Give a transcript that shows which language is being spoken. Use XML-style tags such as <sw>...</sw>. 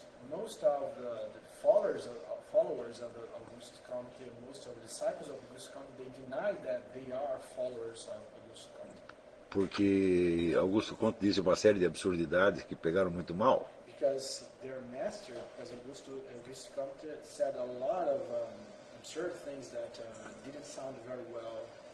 <en>Most of the followers of Augusto Conte, most of the disciples of Augusto Conte, they deny that they are followers of Augusto Conte.</en> <pt>Porque Augusto Conte disse uma série de absurdidades que pegaram muito mal.</pt> <en>Because their master, because Augusto Conte said a lot of absurd things that didn't sound very well.</en>